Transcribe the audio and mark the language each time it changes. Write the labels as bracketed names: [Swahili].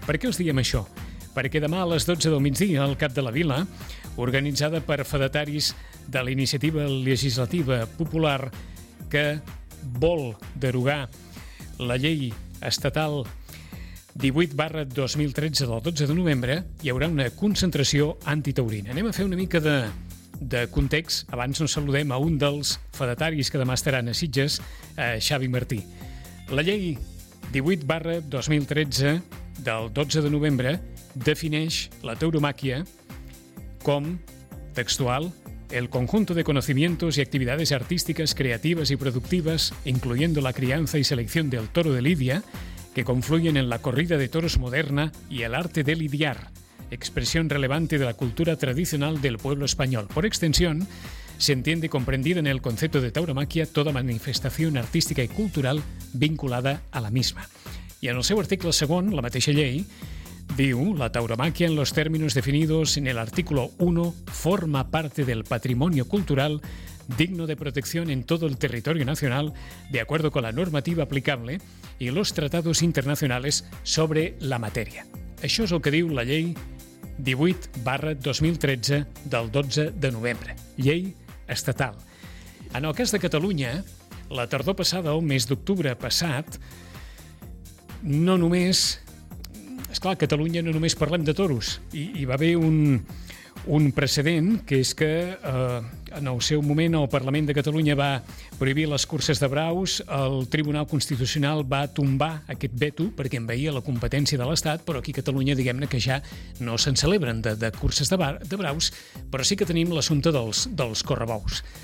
[Catalan] Per què els diem això? Perquè demà a les 12 del migdia, al cap de la vila, organitzada per fedataris de la Iniciativa Legislativa Popular, que vol derogar la llei estatal 18/2013 del 12 de novembre, hi haurà una concentració antitaurina. Anem a fer una mica de context. Abans no saludem a un dels fedataris que demà estaran a Sitges, Xavi Martí. La llei 18/2013 del 12 de novembre defineix la tauromàquia com textual: [Spanish] el conjunto de conocimientos y actividades artísticas, creativas y productivas, incluyendo la crianza y selección del toro de lidia, que confluyen en la corrida de toros moderna y el arte de lidiar, expresión relevante de la cultura tradicional del pueblo español. Por extensión, se entiende comprendida en el concepto de tauromaquia toda manifestación artística y cultural vinculada a la misma. [Catalan] Y en el seu article segon, la mateixa llei, diu: [Spanish] la tauromaquia, en los términos definidos en el artículo 1, forma parte del patrimonio cultural digno de protección en todo el territorio nacional, de acuerdo con la normativa aplicable y los tratados internacionales sobre la materia. [Catalan] Això és el que diu la llei 18/2013 del 12 de novembre, llei estatal. En el cas de Catalunya, la tardor passada, o mes d'octubre passat, no només... Esclar, a Catalunya no només parlem de toros. I va haver un precedent, que és que en el seu moment el Parlament de Catalunya va prohibir les curses de braus, el Tribunal Constitucional va tombar aquest veto perquè envaïa la competència de l'Estat, però aquí a Catalunya diguem-ne que ja no se'n celebren de curses de braus, però sí que tenim l'assumpte dels correbous.